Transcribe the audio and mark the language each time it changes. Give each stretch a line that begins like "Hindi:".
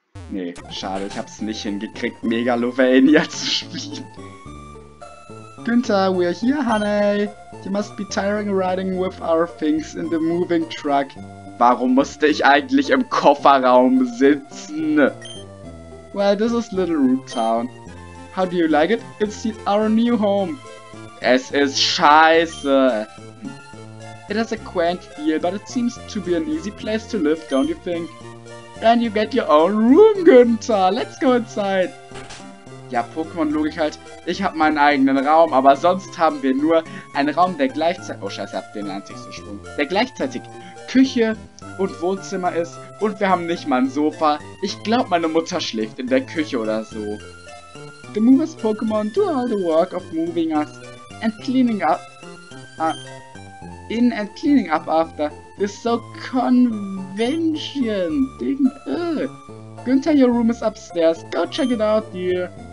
German: Nee, schade, ich hab's nicht hingekriegt, Megalovania zu spielen.
English: Günther, we're here, honey. You must be tiring riding with our things in the moving truck.
German: Warum musste ich eigentlich im Kofferraum sitzen?
English: Well, this is Little Root Town. How do you like it? It's our new home.
German: Es ist scheiße.
English: It has a quaint feel, but it seems to be an easy place to live, don't you think? And you get your own room, Günther. Let's go inside.
German: Ja, Pokémon-Logik halt. Ich habe meinen eigenen Raum, aber sonst haben wir nur einen Raum, der gleichzeitig... Oh, scheiße, hab den einzigen Sprung. Der gleichzeitig Küche und Wohnzimmer ist. Und wir haben nicht mal ein Sofa. Ich glaube, meine Mutter schläft in der Küche oder so.
English: The movers Pokémon do all the work of moving us and cleaning up... In and cleaning up after. Is so convention, ding. Günther, your room is upstairs. Go check it out, dear.